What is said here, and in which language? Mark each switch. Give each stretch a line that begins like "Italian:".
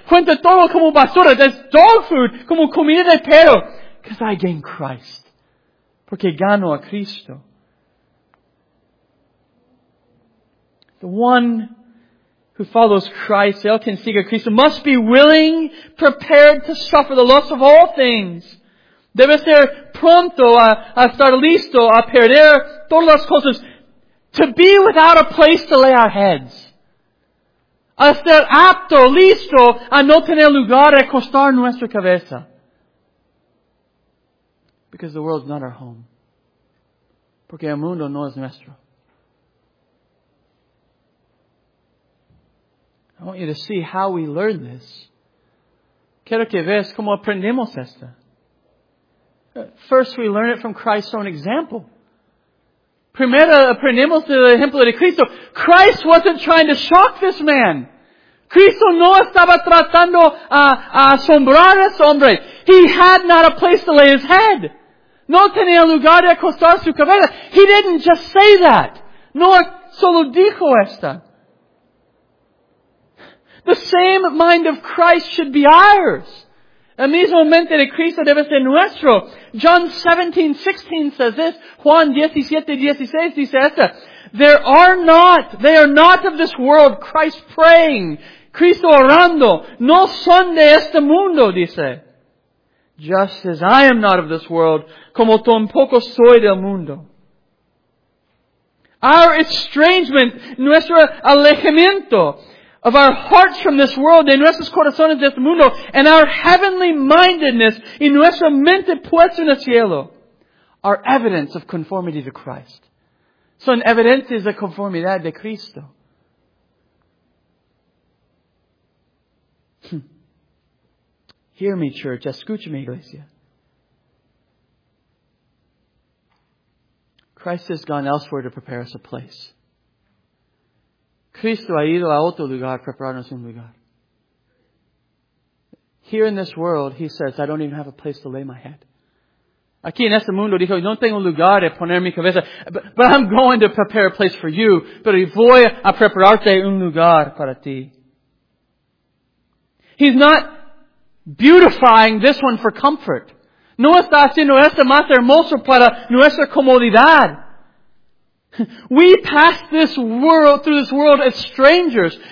Spanish: Cuento todo como basura.
English: That's dog food.
Spanish: Como comida de perro.
English: Because I gain Christ.
Spanish: Porque gano a Cristo.
English: The one who follows Christ,
Spanish: el quien sigue a Cristo,
English: must be willing, prepared to suffer the loss of all things.
Spanish: Debe ser pronto a estar listo a perder todas las cosas.
English: To be without a place to lay our heads.
Spanish: A estar apto, listo a no tener lugar a acostar nuestra cabeza.
English: Because the world is not our home.
Spanish: Porque el mundo no es nuestro.
English: I want you to see how we learn this.
Spanish: Quiero que veas cómo aprendemos esto.
English: First, we learn it from Christ's own example.
Spanish: Primero, aprendemos del ejemplo de Cristo.
English: Christ wasn't trying to shock this man.
Spanish: Cristo no estaba tratando a asombrar a ese hombre.
English: He had not a place to lay his head.
Spanish: No tenía lugar de acostar su cabeza.
English: He didn't just say that.
Spanish: No solo dijo esta.
English: The same mind of Christ should be ours.
Spanish: El mismo mente de Cristo debe ser nuestro.
English: John 17:16 says this.
Spanish: Juan 17:16 dice esta.
English: They are not of this world, Christ praying.
Spanish: Cristo orando. No son de este mundo, dice.
English: Just as I am not of this world,
Spanish: como tampoco soy del mundo.
English: Our estrangement,
Spanish: nuestro alejamiento
English: of our hearts from this world,
Spanish: de nuestros corazones de este mundo,
English: and our heavenly mindedness,
Spanish: y nuestra mente puesta en el cielo,
English: are evidence of conformity to Christ.
Spanish: Son evidencias de conformidad de Cristo.
English: Hear me, church.
Spanish: Escúchame, iglesia.
English: Christ has gone elsewhere to prepare us a place.
Spanish: Cristo ha ido a otro lugar, prepararnos un lugar.
English: Here in this world, he says, I don't even have a place to lay my head.
Spanish: Aquí en este mundo, dijo, no tengo lugar de poner mi cabeza,
English: but I'm going to prepare a place for you,
Spanish: pero voy a prepararte un lugar para ti.
English: He's not beautifying this one for comfort.
Spanish: No está haciendo esto más hermoso para nuestra comodidad.
English: We pass this world through this world as strangers.